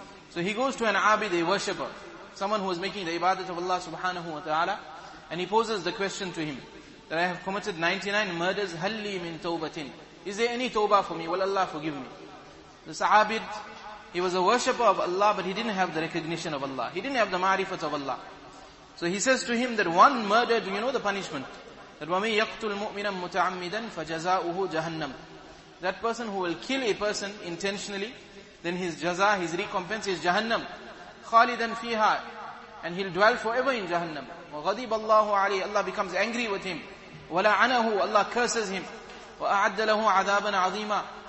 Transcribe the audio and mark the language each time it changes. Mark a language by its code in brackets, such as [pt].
[en] So he goes to an abid, a worshipper, someone who is making the ibadat of Allah subhanahu wa ta'ala, and he poses the question to him, that I have committed 99 murders, [ar] halli min tawbatin. [en] Is there any tawbah for me? Will Allah forgive me? This abid, he was a worshipper of Allah, but he didn't have the recognition of Allah. He didn't have the ma'rifat of Allah. So he says to him that one murder, do you know the punishment? [ar] That وَمَنْ يَقْتُلْ مُؤْمِنًا مُتَعَمِّدًا فَجَزَاؤُهُ جَهَنَّمُ. [en] That person who will kill a person intentionally, then his jaza, his recompense is Jahannam. [ar] خَالِدًا فِيهَا. [en] And he'll dwell forever in Jahannam. [ar] وَغَضِبَ اللَّهُ عَلَيْهِ. [en] Allah becomes angry with him. [ar] وَلَعَنَهُ. [en] Allah curses him. [ar] وَأَعَدَّ لَهُ عَذَابًا عَظِيمًا.